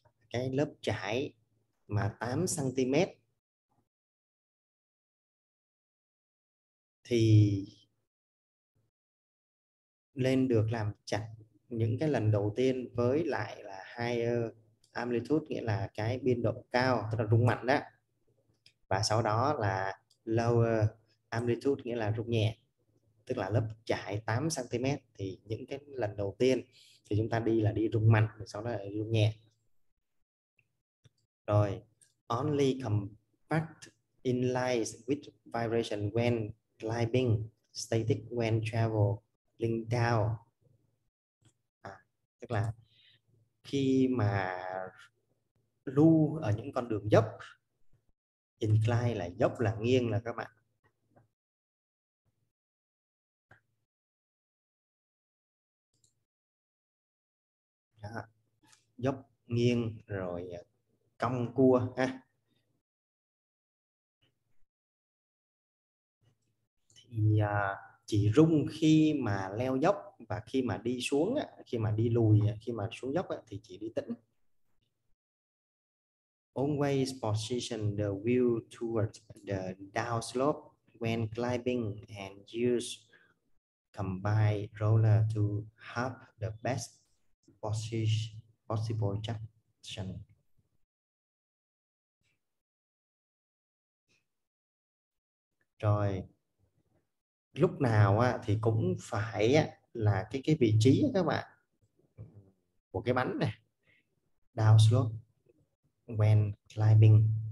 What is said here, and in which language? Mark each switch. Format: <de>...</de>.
<vi>Cái lớp chải mà 8 cm thì lên được làm chặt những cái lần đầu tiên với lại là</vi> <en>higher amplitude</en> <vi>nghĩa là cái biên độ cao, tức là rung mạnh đó, và sau đó là</vi> <en>lower amplitude</en> <vi>nghĩa là rung nhẹ, tức là lớp chải 8 cm thì những cái lần đầu tiên thì chúng ta đi là đi rung mạnh, sau đó là rung nhẹ. Rồi,</vi> <en>only compact inlays with vibration when climbing, static when travel, link down.</en> <vi>Tức là khi mà lưu ở những con đường dốc, incline là dốc là nghiêng là các bạn. Đó. Dốc nghiêng rồi cong cua ha, thì chỉ rung khi mà leo dốc và khi mà đi xuống, khi mà đi lùi, khi mà xuống dốc thì chỉ đi tĩnh.</vi> <en>Always position the wheel towards the downslope when climbing and use combined roller to have the best possible traction.</en> <vi>Rồi lúc nào á thì cũng phải á, là cái vị trí các bạn của cái bánh này đào xuống</vi> <en>when climbing.</en>